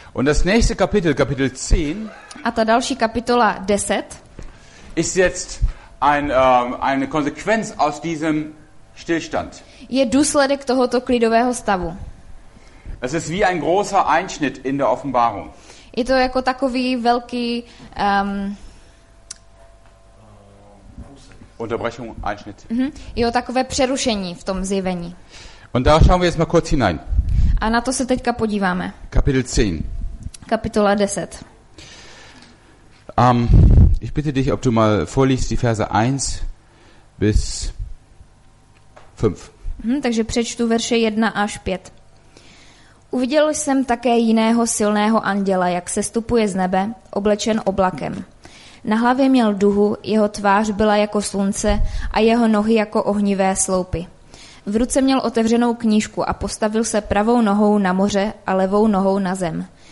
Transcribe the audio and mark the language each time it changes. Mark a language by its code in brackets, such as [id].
[de] Und das nächste Kapitel, Kapitel 10. [cs] A ta další kapitola 10. [de] Ist jetzt eine Konsequenz aus diesem Stillstand. [cs] Je důsledek tohoto klidového stavu. [de] Es ist wie ein großer Einschnitt in der Offenbarung. [cs] Je to jako takový velký [de] Unterbrechung, Einschnitt. [cs] Jo, takové přerušení v tom zjevení. [de] Und da schauen wir jetzt mal kurz hinein. [cs] A na to se teďka podíváme. [de] Kapitel 10. [cs] Kapitola 10. [de] Ich bitte dich, ob du mal vorliest die Verse 1 bis 5. [cs] Takže přečtu verše 1 až 5. Uviděl jsem také jiného silného anděla, jak sestupuje z nebe, oblečen oblakem. Na hlavě měl duhu, jeho tvář byla jako slunce a jeho nohy jako ohnivé sloupy. V ruce měl otevřenou knížku a postavil se pravou nohou na moře a levou nohou na zem.